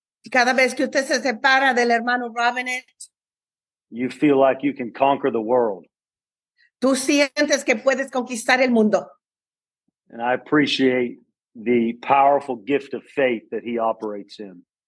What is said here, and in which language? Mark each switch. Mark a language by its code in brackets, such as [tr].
[es] Cada vez que usted se separa del hermano Robinette, [en] you feel like you can conquer the world. [es] Tú sientes que puedes conquistar el mundo. [en] And I appreciate the powerful gift of faith that he operates in.